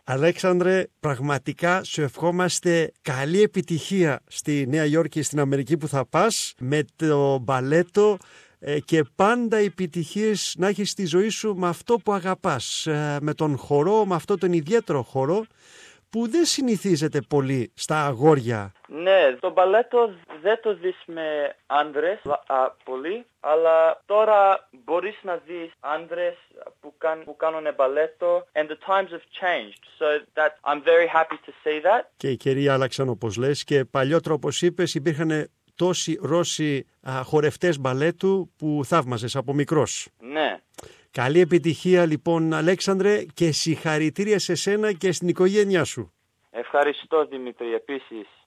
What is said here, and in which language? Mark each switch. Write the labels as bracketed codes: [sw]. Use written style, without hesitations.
[el] Αλέξανδρε, πραγματικά σου ευχόμαστε καλή επιτυχία στη Νέα Υόρκη, στην Αμερική που θα πας με το μπαλέτο και πάντα επιτυχίες να έχεις στη ζωή σου με αυτό που αγαπάς, με τον χορό, με αυτόν τον ιδιαίτερο χορό που δεν συνηθίζεται πολύ στα αγόρια. Ναι, το μπαλέτο δεν το δεις με άντρες πολύ, αλλά τώρα μπορείς να δεις άντρες που κάνουν μπαλέτο. [en] And the times have changed, so that I'm very happy to see that. [el] Και οι καιροί άλλαξαν όπως λες, και παλιότερο όπως είπες υπήρχαν τόσοι Ρώσοι χορευτές μπαλέτου που θαύμαζες από μικρός. Ναι. Καλή επιτυχία λοιπόν, Αλέξανδρε, και συγχαρητήρια σε σένα και στην οικογένειά σου. Ευχαριστώ, Δημήτρη, επίσης.